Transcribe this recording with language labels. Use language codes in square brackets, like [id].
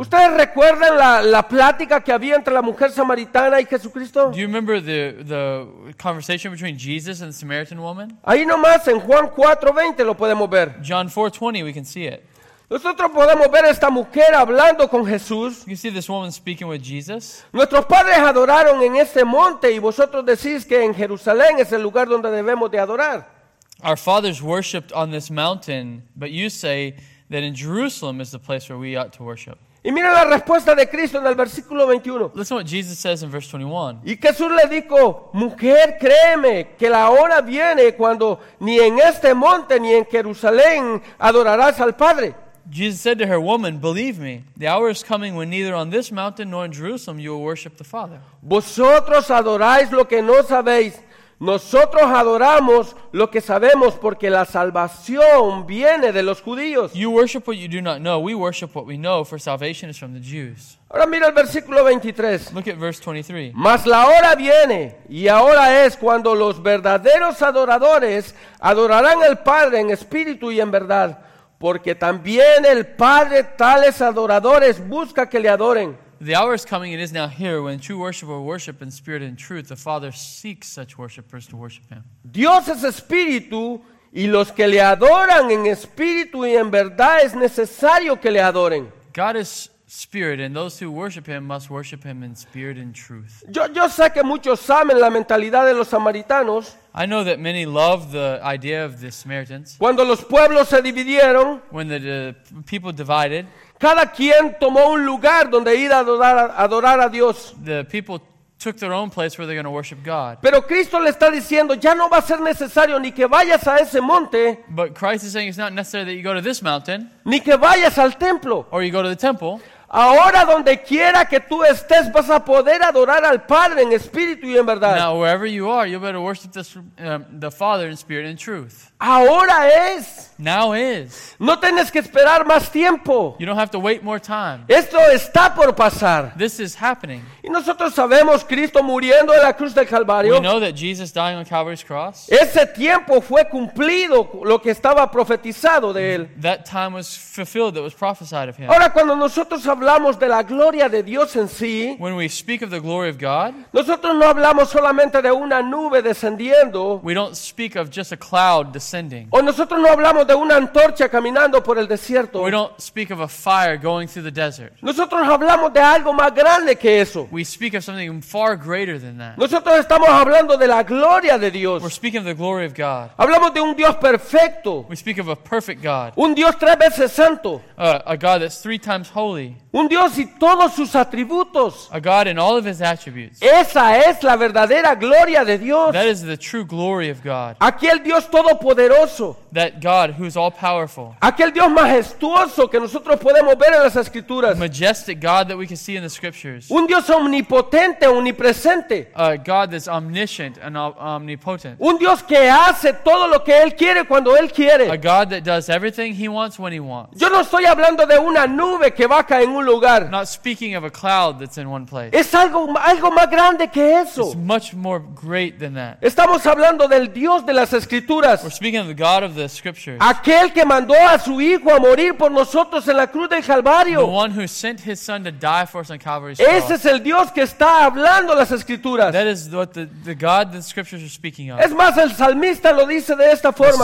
[es] ¿Ustedes recuerdan la plática que había entre la mujer samaritana y Jesucristo? [en] Do you remember the conversation between Jesus and the Samaritan woman? [es] Ahí nomás en Juan 4:20 lo podemos ver. [en] John 4:20 we can see it. [es] Nosotros podemos ver a esta mujer hablando con Jesús. [en] You see this woman speaking with Jesus? [es] Nuestros padres adoraron en este monte y vosotros decís que en Jerusalén es el lugar donde debemos de adorar. [en] Our fathers worshipped on this mountain, but you say that in Jerusalem is the place where we ought to worship. [es] Y mira la respuesta de Cristo en el versículo 21. [en] Listen what Jesus says in verse 21. [es] Y Jesús le dijo: mujer, créeme que la hora viene cuando ni en este monte ni en Jerusalén adorarás al Padre. [en] Jesus said to her, woman, believe me, the hour is coming when neither on this mountain nor in Jerusalem you will worship the Father. [es] Vosotros adoráis lo que no sabéis. Nosotros adoramos lo que sabemos porque la salvación viene de los judíos. [en] You worship what you do not know. We worship what we know, for salvation is from the Jews. [es] Ahora mira el versículo 23. [en] Look at verse 23. [es] Mas la hora viene, y ahora es cuando los verdaderos adoradores adorarán al Padre en espíritu y en verdad. Porque también el Padre tales adoradores busca que le adoren. [en] The hour is coming, it is now here, when true worshipers worship in spirit and truth. The Father seeks such worshipers to worship Him. [es] Dios es espíritu, y los que le adoran en espíritu y en verdad es necesario que le adoren. [en] God is spirit, and those who worship Him must worship Him in spirit and truth. [es] Yo sé que muchos aman la mentalidad de los samaritanos. [en] I know that many love the idea of the Samaritans. [es] Cuando los pueblos se dividieron, [en] when the people divided, [es] cada quien tomó un lugar donde ir a adorar a Dios. [en] The people took their own place where they're going to worship God. [es] Pero Cristo le está diciendo, ya no va a ser necesario ni que vayas a ese monte. [en] But Christ is saying it's not necessary that you go to this mountain. [es] Ni que vayas al templo. [en] Or you go to the temple. [es] Ahora donde quiera que tú estés, vas a poder adorar al Padre en espíritu y en verdad. [en] Now wherever you are, you'll be able to worship the Father in spirit and truth. [es] Ahora es. [en] Now is. [es] No tienes que esperar más tiempo. [en] You don't have to wait more time. [es] Esto está por pasar. [en] This is happening. [es] Y nosotros sabemos Cristo muriendo en la cruz del Calvario. [en] We know that Jesus dying on Calvary's cross. [es] Ese tiempo fue cumplido lo que estaba profetizado de él. [en] That time was fulfilled that was prophesied of him. [es] Ahora cuando nosotros hablamos de la gloria de Dios en sí, [en] when we speak of the glory of God, [es] nosotros no hablamos solamente de una nube descendiendo, [en] we don't speak of just a cloud descending, [es] o nosotros no hablamos de una antorcha caminando por el desierto, [en] we don't speak of a fire going through the desert, [es] nosotros hablamos de algo más grande que eso, [en] we speak of something far greater than that, [es] nosotros estamos hablando de la gloria de Dios, [en] we're speaking of the glory of God, [es] hablamos de un Dios perfecto, [en] we speak of a perfect God, [es] un Dios tres veces santo, [en] a God that's three times holy, [es] un Dios y todos sus atributos, [en] a God in all of his attributes, [es] esa es la verdadera gloria de Dios, [en] that is the true glory of God, [es] aquel Dios todopoderoso, [en] that God who is all powerful, [es] aquel Dios majestuoso que nosotros podemos ver en las escrituras, [en] a majestic God that we can see in the scriptures, [es] un Dios omnipotente, omnipresente, [en] a God that's omniscient and omnipotent, [es] un Dios que hace todo lo que él quiere cuando él quiere, [en] a God that does everything he wants when he wants. [es] Yo no estoy hablando de una nube que va a caer en un lugar. [en] I'm not speaking of a cloud that's in one place. [es] Es algo más grande que eso. [en] It's much more great than that. [es] Estamos hablando del Dios de las Escrituras. [en] We're speaking of the God of the Scriptures. [es] Aquel que mandó a su hijo a morir por nosotros en la cruz del Calvario. [en] The one who sent his son to die for us on Calvary's cross. [es] Ese es el Dios que está hablando las Escrituras. [en] That is what the God the Scriptures are speaking of. [es] Es más, el salmista lo dice de esta forma.